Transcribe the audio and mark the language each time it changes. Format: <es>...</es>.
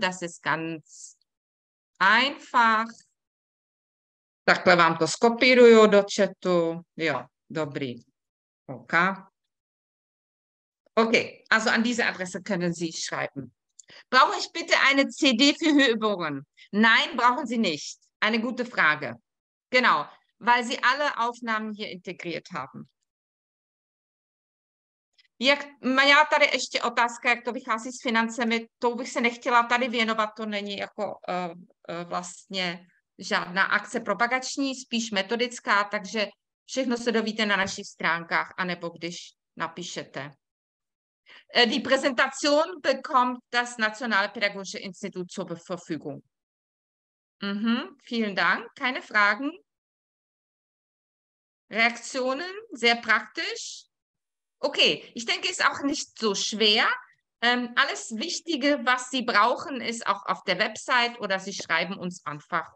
<de>Das ist ganz einfach.</de> <cs>Takhle vám to skopíruju do chatu. Jo, dobrý. Okay.</cs> <de>Okay, also an diese Adresse können Sie schreiben. Brauche ich bitte eine CD für Hörübungen? Nein, brauchen Sie nicht. Eine gute Frage. Genau, weil Sie alle Aufnahmen hier integriert haben.</de> <cs>Jak, měla tady ještě otázka, jak to vychází s financemi. To bych se nechtěla tady věnovat, to není jako vlastně žádná akce propagační, spíš metodická, takže Všechno se dovíte na našich stránkách, anebo když napíšete.</cs> <de>Die Präsentation bekommt das Nationale Pädagogische Institut zur Verfügung. Mhm, vielen Dank. Keine Fragen? Reaktionen? Sehr praktisch? Okay, ich denke, ist auch nicht so schwer. Alles Wichtige, was Sie brauchen, ist auch auf der Website oder Sie schreiben uns einfach.</de>